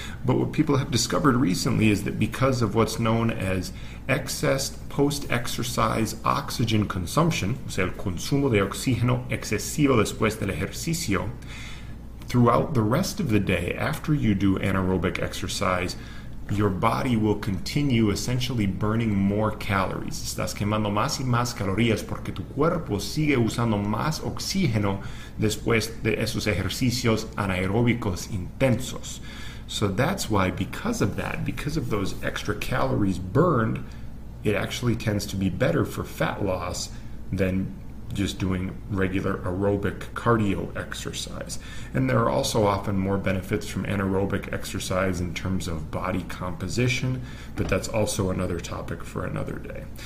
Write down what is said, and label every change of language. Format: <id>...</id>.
<en>But what people have discovered recently is that because of what's known as excess post-exercise oxygen consumption,</en> <es>o sea, el consumo de oxígeno excesivo después del ejercicio,</es> <en>throughout the rest of the day, after you do anaerobic exercise, your body will continue essentially burning more calories.</en> <es>Estás quemando más y más calorías porque tu cuerpo sigue usando más oxígeno después de esos ejercicios anaeróbicos intensos.</es> <en>So that's why, because of that, because of those extra calories burned, it actually tends to be better for fat loss than just doing regular aerobic cardio exercise. And there are also often more benefits from anaerobic exercise in terms of body composition, but that's also another topic for another day.</en>